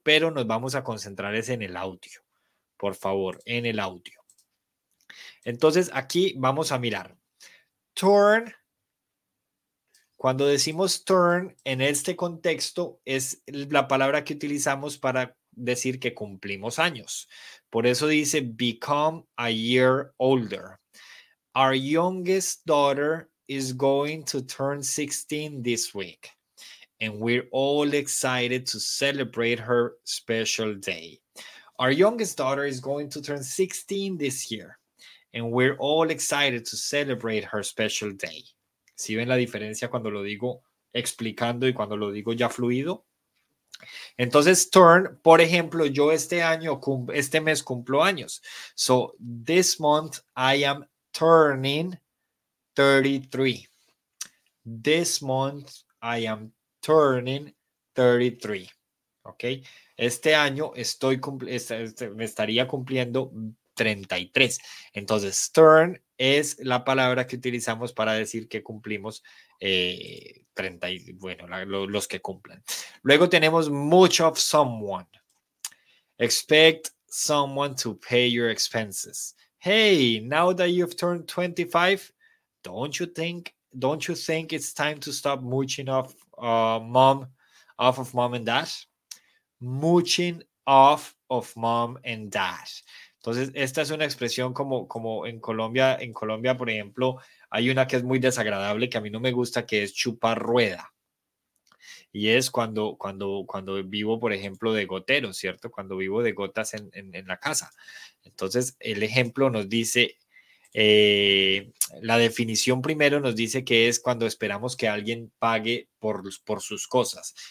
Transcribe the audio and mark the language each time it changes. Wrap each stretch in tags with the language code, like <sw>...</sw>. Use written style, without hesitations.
<es>Pero nos vamos a concentrar es en el audio. Por favor, en el audio. Entonces, aquí vamos a mirar. Turn. Cuando decimos turn en este contexto, es la palabra que utilizamos para decir que cumplimos años. Por eso dice</es> <en>become a year older. Our youngest daughter is going to turn 16 this week, and we're all excited to celebrate her special day. Our youngest daughter is going to turn 16 this year, and we're all excited to celebrate her special day.</en> <es>¿Sí ven la diferencia cuando lo digo explicando y cuando lo digo ya fluido? Entonces, turn, por ejemplo, yo este mes cumplo años.</es> <en>So, this month I am turning 33. This month I am turning 33. ¿Ok?</en> <es>Este año estoy me estaría cumpliendo 33. Entonces, turn es la palabra que utilizamos para decir que cumplimos 30 y, bueno, los que cumplan. Luego tenemos</es> <en>much of someone. Expect someone to pay your expenses. Hey, now that you've turned 25, don't you think it's time to stop mooching off mom and dad? Mooching off of mom and dad.</en> <es>Entonces, esta es una expresión como en Colombia, por ejemplo, hay una que es muy desagradable que a mí no me gusta, que es chupar rueda. Y es cuando vivo, por ejemplo, de gotero, ¿cierto? Cuando vivo de gotas en la casa. Entonces, el ejemplo nos dice, la definición primero nos dice que es cuando esperamos que alguien pague por sus cosas.</es>